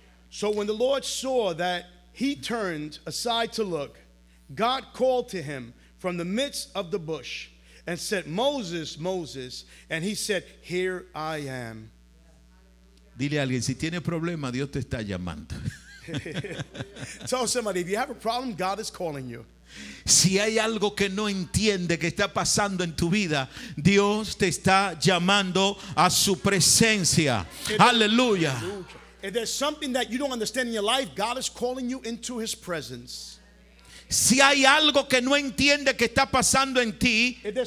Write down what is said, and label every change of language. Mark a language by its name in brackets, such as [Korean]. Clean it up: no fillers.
[English] So when the Lord saw that he turned aside to look, God called to him from the midst of the bush and said, Moses, Moses. And he said, here I am. [Spanish] Dile a alguien, si tiene problema, Dios te está llamando. [English] Tell somebody, if you have a problem, God is calling you. [Spanish] Si hay algo que no entiende que está pasando en tu vida, Dios te está llamando a su presencia. Aleluya. [English] If there's something that you don't understand in your life, God is calling you into his presence. [Spanish] Si hay algo que no entiende que está pasando en ti,